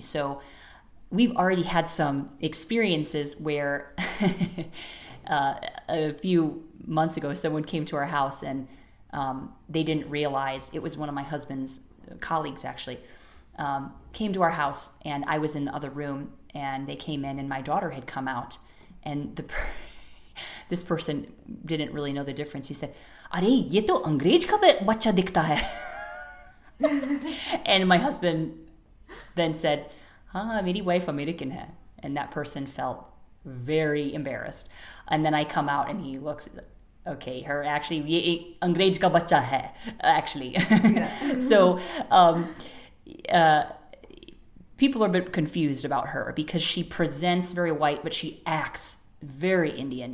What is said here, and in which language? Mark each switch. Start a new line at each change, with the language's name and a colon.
English: So we've already had some experiences where a few months ago, someone came to our house and they didn't realize it was one of my husband's colleagues, actually, came to our house, and I was in the other room, and they came in, and my daughter had come out, and this person didn't really know the difference. He said,
Hindi: "अरे ये तो अंग्रेज का बच्चा दिखता है?"
English: And my husband then said, "Ah,
Hindi: meri wife American hai."
English: And that person felt very embarrassed. And then I come out and he looks, okay, her actually,
Hindi: ye angrej ka bachcha hai,
English: actually. So, people are a bit confused about her because she presents very white, but she acts very Indian.